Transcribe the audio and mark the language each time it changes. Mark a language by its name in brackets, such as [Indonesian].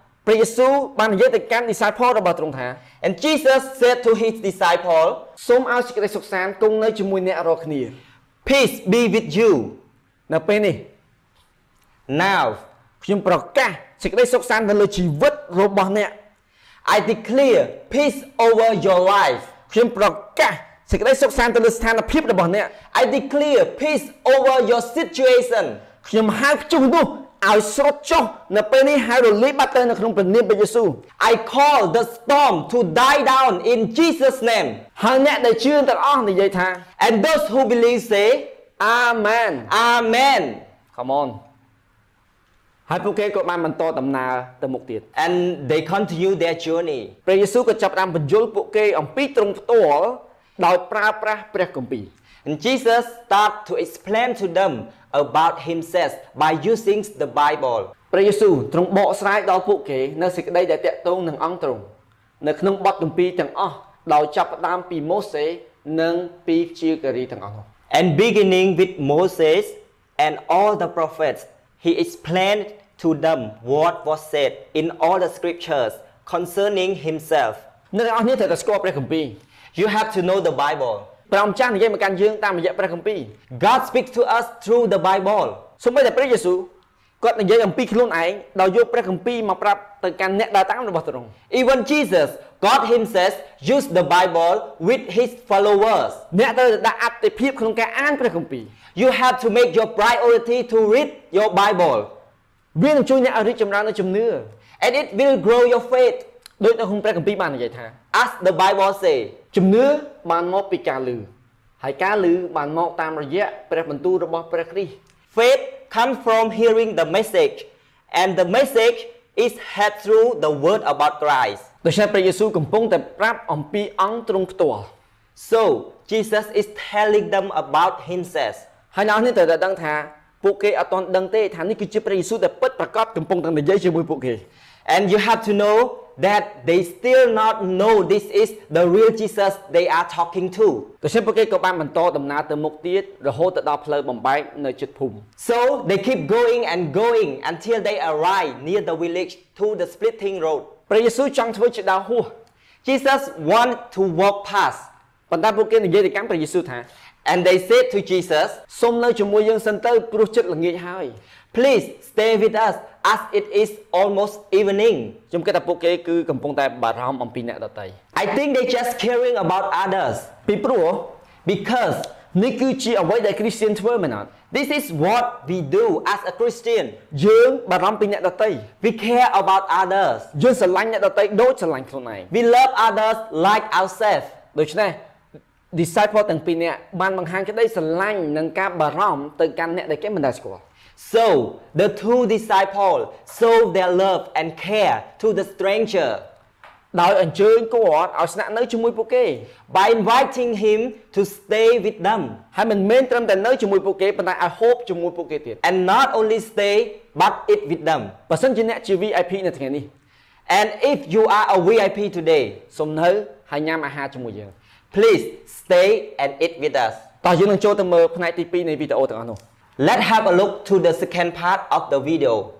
[Khmer] ព្រះយេស៊ូវបាននិយាយទៅកាន់ disciples របស់ទ្រង់ថា [English] And Jesus said to his disciples, [Khmer] សូមឲ្យសេចក្តីសុខសាន្តគង់នៅជាមួយអ្នករាល់គ្នា. [English] Peace be with you. [Khmer] នៅពេលនេះ Now, ខ្ញុំប្រកាសសេចក្តីសុខសាន្តទៅលើជីវិតរបស់អ្នក. [English] I declare peace over your life. [Khmer] ខ្ញុំប្រកាសសេចក្តីសុខសាន្តទៅលើស្ថានភាពរបស់អ្នក. [English] I declare peace over your situation. [Khmer] ខ្ញុំហៅព្យុះនោះឲ្យស្រុតចុះនៅពេលនេះហើយរលីបាត់ទៅនៅក្នុងព្រះនាមព្រះយេស៊ូវ [English] I call the storm to die down in Jesus name [Khmer] ហើយអ្នកដែលជឿទាំងអស់និយាយថា [English] And those who believe say Amen Amen Come on [Khmer] ហើយពួកគេក៏បានបន្តដំណើរទៅមុខទៀត [English] And they continue their journey [Khmer] ព្រះយេស៊ូវក៏ចាប់បានបញ្យលពួកគេអំពីទ្រង់ផ្ទាល់ ដោយប្រើប្រាស់ព្រះគម្ពីរ [English] And Jesus start to explain to themabout himself by using the bible [Khmer] ព្រះយេស៊ូវទ្រង់បកស្រាយដល់ពួកគេនៅសេចក្តីដែលតាក់ទងនឹងអង្គទ្រង់នៅក្នុងបទគម្ពីរទាំងអស់ដោយចាប់ផ្ដើមពីម៉ូសេនិងពីព្យាករីទាំងអស់នោះ [English] and beginning with Moses and all the prophets he explained to them what was said in all the scriptures concerning himself [Khmer] អ្នកទាំងអស់នេះត្រូវតែស្គាល់ព្រះគម្ពីរ [English] you have to know the bible [Khmer] ព្រះម្ចាស់និយាយមកកាន់យើងតាមរយៈព្រះគម្ពីរ [English] God speaks to us through the Bible [Khmer] សូម្បីតែព្រះយេស៊ូវគាត់និយាយអំពីខ្លួនឯងដោយយកព្រះគម្ពីរមកប្រាប់ទៅកាន់អ្នកដើរតាមរបស់ទ្រង់ [English] Even Jesus God himself used the Bible with his followers [Khmer] អ្នកត្រូវតែដាក់អត្ថភាពក្នុងការអានព្រះគម្ពីរ [English] You have to make your priority to read your Bible [Khmer] វានឹងជួយអ្នកឲ្យរីកចម្រើននូវជំនឿ [English] And it will grow your faith [Khmer] ដូចនៅក្នុងព្រះគម្ពីរបាននិយាយថា [English] As the Bible say [Khmer] ជំនឿបានមកពីការឮហើយការឮបានមកតាមរយៈព្រះបន្ទូលរបស់ព្រះគ្រីស្ទ [English] Faith comes from hearing the message and the message is heard through the word about Christ [Khmer] ដូច្នេះព្រះយេស៊ូវកំពុងតែប្រាប់អំពីអង្គទ្រង់ផ្ទាល់ [English] So Jesus is telling them about himself [Khmer] ហើយនៅនេះត្រូវតែដឹងថាពួកគេអត់ទាន់ដឹងទេថានេះគឺជាព្រះយេស៊ូវដែលពិតប្រាកដកំពុងតែនិយាយជាមួយពួកគេ [English] And you have to knowthat they still not know this is the real Jesus they are talking to [Khmer] ដូច្នេះពួកគេក៏បានបន្តដំណើរទៅមុខទៀតរហូតទៅដល់ផ្លូវបំបែកនៅជិតភូមិ [English] so they keep going until they arrive near the village to the splitting road [Khmer] ព្រះយេស៊ូវចង់ធ្វើជាដើរហួស [English] Jesus want to walk past [Khmer] ប៉ុន្តែពួកគេនិយាយទៅកាន់ព្រះយេស៊ូវថា [English] and they said to Jesus [Khmer] សូមនៅជាមួយយើងសិនទៅព្រោះជិតល្ងាចហើយ [English] please stay with us as it is almost evening [Khmer] ខ្ញុំគិតថាពួកគេគឺកំពុងតែបារម្ភអំពីអ្នកដទៃ [English] I think they just caring about others [Khmer] ពីព្រោះ [English] because [Khmer] នេះគឺជាអ្វីដែល Christian ធ្វើមែនអត់ [English] this is what we do as a Christian [Khmer] យើងបារម្ភពីអ្នកដទៃ [English] we care about others [Khmer] យើងស្រឡាញ់អ្នកដទៃដូចស្រឡាញ់ខ្លួនឯង [English] we love others like ourselves [Khmer] ដូច្នេះ disciple ទាំងពីរនាក់បានបង្ហាញក្តីស្រឡាញ់និងការបារម្ភទៅកាន់អ្នកដែលគេមិនដែរស្គាល់ [English] So the two disciples showed their love and care to the stranger. [Khmer] ដោយអញ្ជើញគាត់ឲ្យស្នាក់នៅជាមួយពួកគេ [English] by inviting him to stay with them [Khmer] ហើយមិនមែនត្រឹមតែនៅជាមួយពួកគេប៉ុន្តែឲ្យហូបជាមួយពួកគេទៀត [English] and not only stay but eat with them [Khmer] បើសិនជាអ្នកជា VIP នៅថ្ងៃនេះ [English] and if you are a VIP today [Khmer] សូមនៅហើយញ៉ាំអាហារជាមួយយើង [English] please stay and eat with us [Khmer] តោះយើងនឹងចូលទៅមើលផ្នែកទី2នៃវីដេអូទាំងអស់នោះ [English] let's have a look to the second part of the video